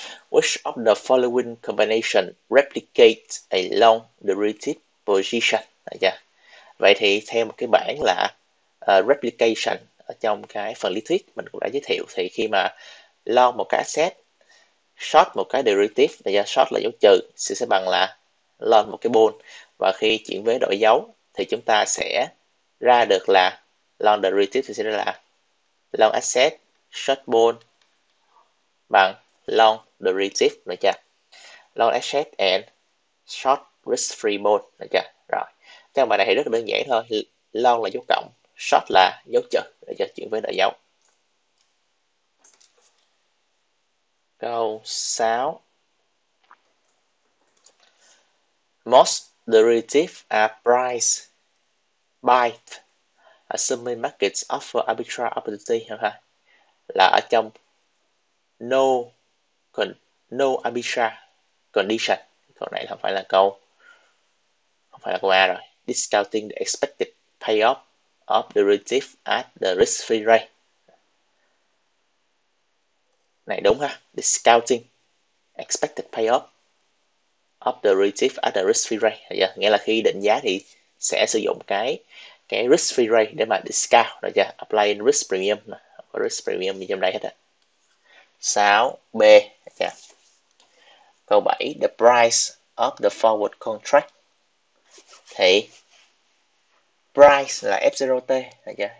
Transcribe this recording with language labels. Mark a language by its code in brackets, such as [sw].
[en] Which of the following combination replicates a long derivative position? [vi] Được chưa? Vậy thì theo một cái bảng là replication ở trong cái phần lý thuyết mình cũng đã giới thiệu, thì khi mà long một cái asset, short một cái derivative, để cho short là dấu trừ, sẽ bằng là long một cái bond. Và khi chuyển vế đổi dấu thì chúng ta sẽ ra được là long derivative thì sẽ là long asset short bond bằng long derivative, được chưa? [en] Long asset and short risk free bond, [vi] được chưa? Rồi. Trong bài này thì rất là đơn giản thôi, long là dấu cộng, short là dấu trừ, để cho chuyển vế đổi dấu. Câu 6. [en] Most derivatives are priced by assuming markets offer arbitrage opportunity. [vi] Là ở trong [en] no arbitrage condition. [vi] Câu này không phải là câu, không phải là câu A rồi. [en] Discounting the expected payoff of derivative at the risk free rate. [vi] Này đúng ha, [en] discounting expected payoff of the relative at the risk free rate. Yeah. [vi] Nghĩa là khi định giá thì sẽ sử dụng cái risk free rate để mà discount, được chưa? Apply risk premium mà. Risk premium như trong đây hết á. 6B, [en] Câu 7, the price of the forward contract. [vi] Thì price là F0T, được chưa?